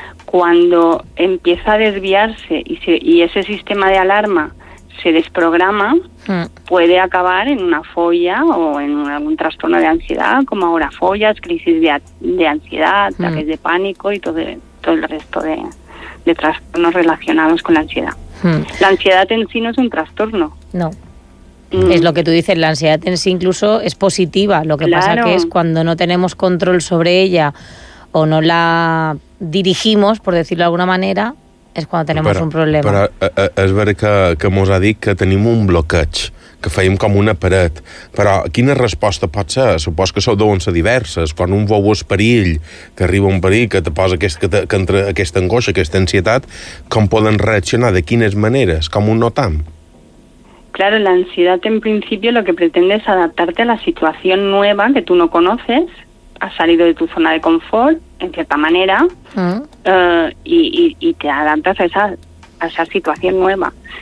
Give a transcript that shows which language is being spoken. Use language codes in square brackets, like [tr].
[es] Cuando empieza a desviarse y ese sistema de alarma se desprograma, puede acabar en una fobia o en algún trastorno de ansiedad, como ahora fobias, crisis de ansiedad, ataques de pánico y todo el resto de trastornos relacionados con la ansiedad. La ansiedad en sí no es un trastorno. No. Es lo que tú dices, la ansiedad en sí incluso es positiva. Lo que claro. Pasa que es cuando no tenemos control sobre ella o no la dirigimos, por decirlo de alguna manera, es cuando tenemos un problema. [ca] Però és ver que mos ha dit que tenim un bloqueig, que feim com una paret. Però quina resposta pot ser? Supos que sou deuen ser diverses. Quan un veu el perill, que arriba un perill, que te posa que entra aquesta angoixa, aquesta ansietat, com poden reaccionar? De quines maneres? Com un notam? [es] Claro, la ansiedad en principio lo que pretende es adaptarte a la situación nueva que tú no conoces. Has salido de tu zona de confort, en cierta manera, y te adaptas a esa situación nueva.